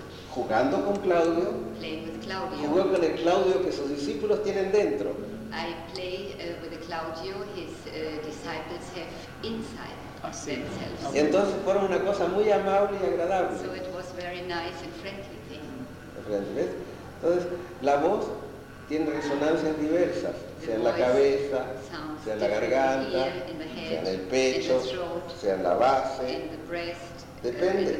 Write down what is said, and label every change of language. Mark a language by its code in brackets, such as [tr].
[es] Jugando con Claudio, jugué con el Claudio que sus discípulos tienen dentro. [en] I play with the Claudio his disciples have inside themselves. [es] Y entonces fueron una cosa muy amable y agradable. [en] So it was very nice and friendly thing. [es] ¿Ves? Entonces la voz tiene resonancias diversas, sea en la cabeza, sea en la garganta, sea en el pecho, sea en la base, depende.